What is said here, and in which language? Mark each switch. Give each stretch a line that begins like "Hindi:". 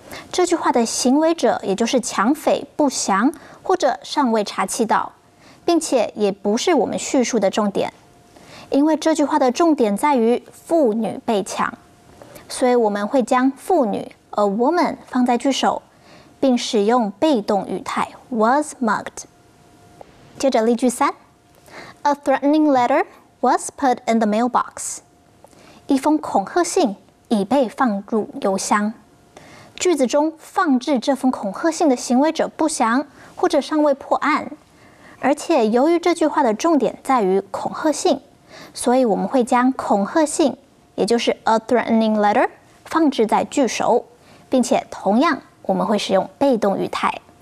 Chinese: 这句话的行为者，也就是抢匪，不详或者尚未查缉到，并且也不是我们叙述的重点，因为这句话的重点在于妇女被抢，所以我们会将妇女 a woman 放在句首，并使用被动语态 was mugged。接着例句三
English: A threatening letter was put in the mailbox。
Chinese: 一封恐吓信已被放入邮箱。句子中放置这封恐吓信的行为者不详或者尚未破案，而且由于这句话的重点在于恐吓信，所以我们会将恐吓信，也就是 a threatening letter， 放置在句首，并且同样我们会使用被动语态。